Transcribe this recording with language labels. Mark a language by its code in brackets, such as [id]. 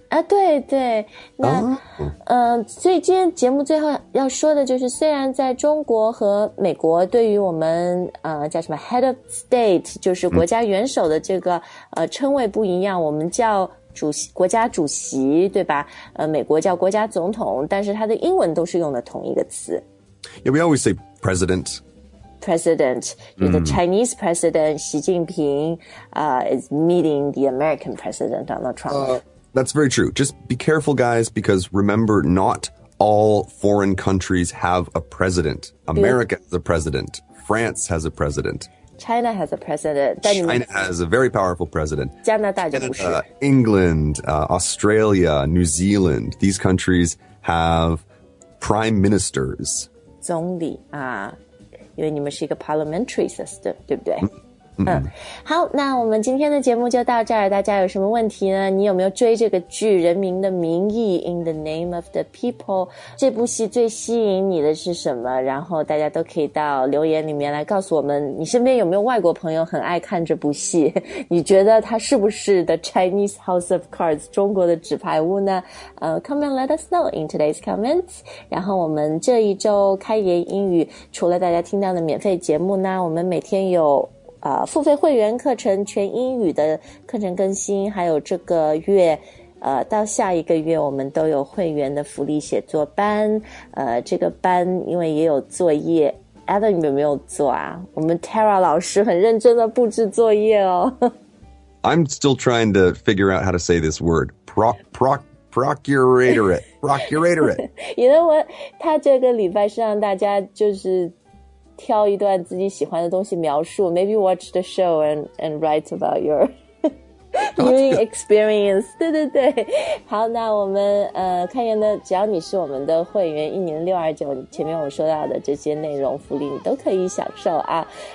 [zh] 啊，对对，那所以今天节目最后要说的就是，虽然在中国和美国对于我们叫什么 head of state， 就是国家元首的这个称谓不一样，我们叫主席，国家主席，对吧？美国叫国家总统，但是它的英文都是用的同一个词。 [en] Yeah, we always say president. President, the Chinese president, Xi Jinping, is meeting the American president, Donald Trump. That's very true. Just be careful, guys, because remember, not all foreign countries have a president. America has a president. France has a president. China has a president. China has a very powerful president. [zh] 加拿大就不是。 [en] England, Australia, New Zealand, these countries have prime ministers. [zh] 总理啊。因为你们是一个 parliamentary system， 对不对？好，那我们今天的节目就到这儿。大家有什么问题呢？你有没有追这个剧《人民的名义》In the Name of the People？这部戏最吸引你的是什么？然后大家都可以到留言里面来告诉我们，你身边有没有外国朋友很爱看这部戏？你觉得它是不是 The Chinese House of Cards， 中国的纸牌屋呢？ [en] Come and let us know in today's comments。 [zh] 然后我们这一周开言英语，除了大家听到的免费节目呢，我们每天有付费会员课程全英语的课程更新，还有这个月到下一个月我们都有会员的福利写作班。这个班因为也有作业， Adam 有没有做啊？我们 Tara 老师很认真的布置作业哦。 [en] I'm still trying to figure out how to say this word. Procuratorate. You know what? [zh] 他这个礼拜是让大家就是挑一段自己喜欢的东西描述， [en] maybe watch the show and write about your viewing experience. [zh] 对对对，好，那我们看言的，只要你是我们的会员，一年629，前面我说到的这些内容福利你都可以享受啊。